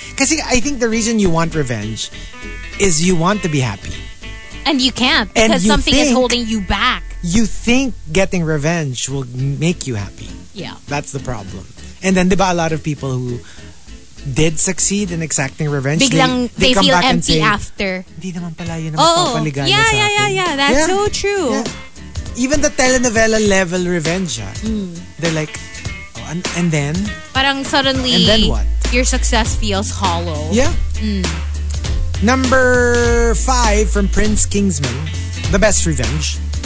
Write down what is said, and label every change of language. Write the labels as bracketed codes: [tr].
[en] Because I think the reason you want revenge is you want to be happy. And you can't because something is holding you back. You think getting revenge will make you happy. Yeah. That's the problem. And then, diba, a lot of people who did succeed in exacting revenge, they come feel back empty and say, after. [tl] Hindi naman pala yun ang papaligaya sa akin. [en] That's so true. Yeah. Even the telenovela level revenge, they're like, oh, and then? Parang suddenly, and then what? Your success feels hollow. Yeah. Mm. Number five from Prince Kingsman, the best revenge.